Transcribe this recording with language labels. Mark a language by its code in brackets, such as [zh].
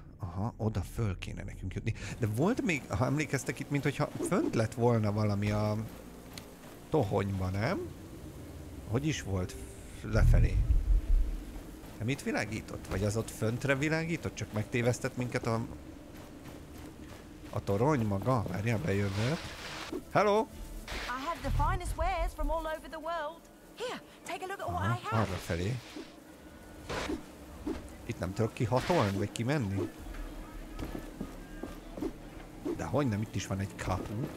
[hu] Aha, oda föl kéne nekünk jutni. De volt még, ha emlékeztek itt, mintha fönt lett volna valami a tohonyban, nem? Hogy is volt lefelé? Nem itt világított? Vagy az ott föntre világított? Csak megtévesztett minket a torony maga? Várjál, bejövök. Hello! [en] I have the finest wares from all over the world. Here, take a look at what I have. [hu] Arra felé. Itt nem tudok kihatolni, vagy kimenni? De hogy nem, itt is van egy kapu.